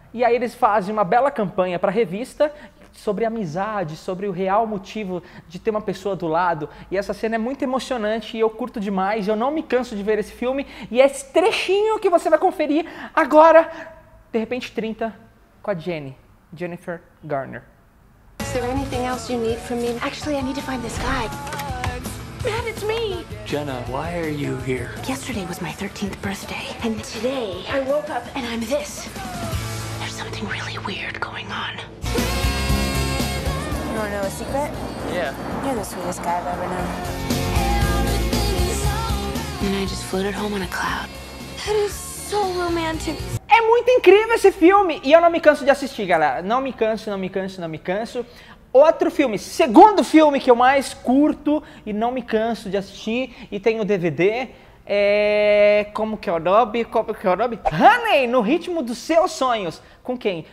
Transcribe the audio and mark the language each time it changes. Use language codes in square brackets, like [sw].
[pt] E aí eles fazem uma bela campanha pra revista sobre amizade, sobre o real motivo de ter uma pessoa do lado. E essa cena é muito emocionante e eu curto demais. Eu não me canso de ver esse filme. E é esse trechinho que você vai conferir agora, De Repente 30, com a Jennifer Garner. [en] Is there anything else you need from me? Actually, I need to find this guy. Matt, it's me. Jenna, why are you here? Yesterday was my 13th birthday. And today, I woke up and I'm this. There's something really weird going on. You wanna know a secret? Yeah. You're the sweetest guy I've ever known. And I just floated home on a cloud. That is so romantic. [pt] É muito incrível esse filme e eu não me canso de assistir, galera. Não me canso. Outro filme, segundo filme que eu mais curto e não me canso de assistir e tem o DVD. Como que é o nome? Honey, no ritmo dos seus sonhos. Com quem?